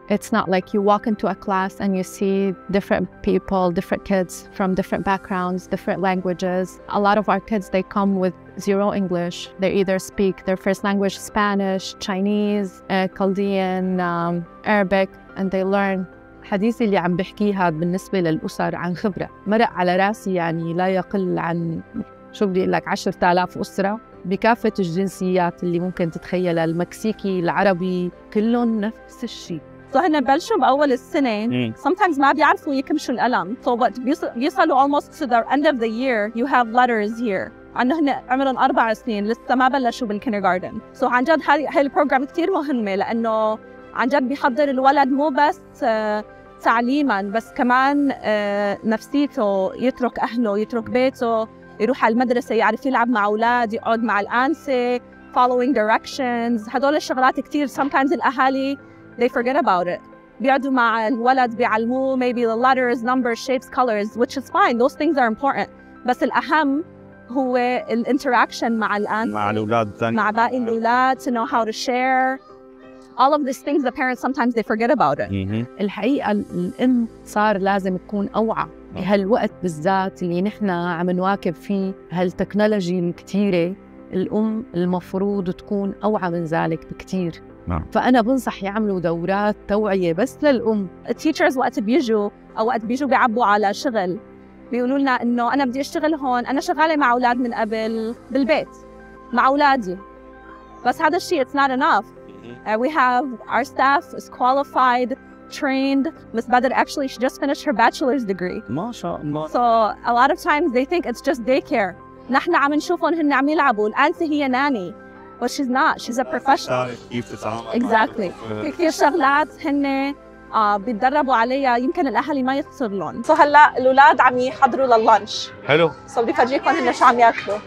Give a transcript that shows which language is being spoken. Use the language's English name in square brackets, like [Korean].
[English] It's not like you walk into a class and you see different people, different kids from different backgrounds, different languages. A lot of our kids, they come with 0 English. They either speak their first language, Spanish, Chinese, Chaldean, Arabic, and they learn. [Arabic] حديثي اللي عم بحكيها بالنسبة للأسر عن خبرة مرق على رأسي يعني لا يقل عن شو بدي اقول لك 10,000 اسره بكافه الجنسيات اللي ممكن تتخيلها، المكسيكي العربي كلهم نفس الشيء. فهنا بلشوا باول السنه [English] sometimes [Arabic] ما بيعرفوا يكمشوا الالم، [English] so what يوصلوا almost to the end of the year you have letters here. [Arabic] عنا هنا عمرهم 4 سنين لسه ما بلشوا بالكينرغاردن، سو عن جد هاي البروجرام كثير مهمه لانه عن جد بيحضر الولد مو بس تعليما بس كمان نفسيته، يترك اهله يترك بيته يروح على المدرسه يعرف يلعب مع اولاد يقعد مع الانسه [English] following directions. [Arabic] هذول الشغلات كثير [English] sometimes الاهالي they forget about it، [Arabic] بيقعدوا مع الولد بيعلموه [English] maybe the letters numbers shapes colors which is fine those things are important، [Arabic] بس الاهم هو الانتراكشن مع الان مع الاولاد مع باقي الاولاد [English] to know how to share all of these things the parents sometimes they forget about it. [Arabic] الحقيقه الام صار لازم تكون اوعى بهالوقت بالذات اللي نحن عم نواكب فيه هالتكنولوجي الكثيره، الام المفروض تكون اوعى من ذلك بكثير. فانا بنصح يعملوا دورات توعيه بس للام. التيتشرز وقت بيجوا او وقت بيجوا بيعبوا على شغل بيقولوا لنا انه انا بدي اشتغل هون، انا شغاله مع اولاد من قبل بالبيت مع اولادي، بس هذا الشيء [English] it's not enough. We have our staff is qualified trained. Ms. Badr actually she just finished her bachelor's degree. [Arabic] ما شاء الله. [English] So a lot of times they think it's just daycare. [Arabic] نحن عم نشوفهم هن عم يلعبوا، الانسه هي ناني. [English] But she's not, she's a professional. Exactly. [Arabic] في كثير شغلات هن بيتدربوا عليها يمكن الاهالي ما يخسر لهم. سو هلا الاولاد عم يحضروا لللانش. حلو. سو بدي فرجيكم هن شو عم ياكلوا.